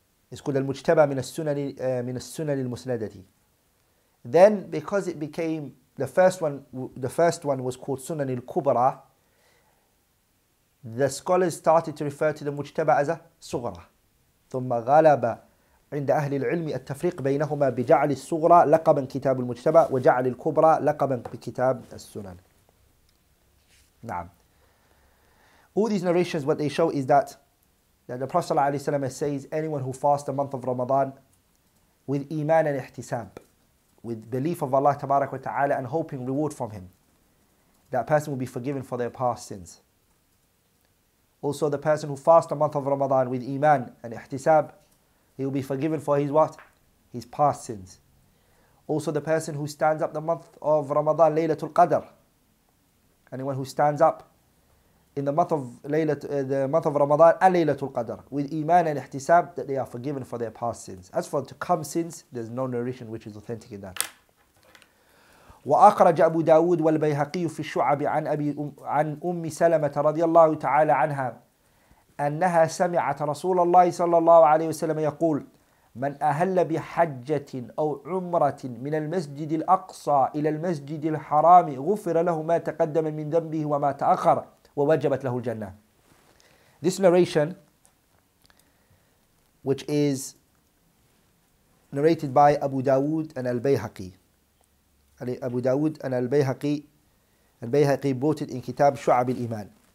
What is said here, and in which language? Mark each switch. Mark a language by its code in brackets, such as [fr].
[en] It's called Al-Mujtaba min al-Sunan al-Musnadati. Then, because it became the first one was called Sunan al-Kubra, the scholars started to refer to the Mujtaba as a Sughra. [ar] ثم غلب عند أهل العلم التفريق بينهما بجعل الصغرى لقبا كتاب المجتبى وجعل الكبرى لقبا بكتاب السنن. نعم. [en] All these narrations, what they show is that the Prophet ﷺ says, anyone who fasts the month of Ramadan with iman and ihtisab, with belief of Allah tabarak wa ta'ala and hoping reward from him, that person will be forgiven for their past sins. Also, the person who fasts the month of Ramadan with iman and ihtisab, he will be forgiven for his what? His past sins. Also, the person who stands up the month of Ramadan, Laylatul Qadr, anyone who stands up in the month of the month of Ramadan and Laylatul Qadr with iman and ihtisab, that they are forgiven for their past sins. As for to come sins, there's no narration which is authentic in that. [ar] وأخرج أبو داود والبيهقي في الشعب عن أبي عن أم سلمة رضي الله تعالى عنها أنها سمعت رسول الله صلى الله عليه وسلم يقول من أهل بحجة أو عمرة من المسجد الأقصى إلى المسجد الحرام غفر له ما تقدم من ذنبه وما تأخر ووجبت له الجنة. [en] This narration, which is narrated by Abu Dawood and Al-Bayhaqi. Abu Dawood and Al-Bayhaqi. Al-Bayhaqi brought it in Kitab Shu'ab al-Iman.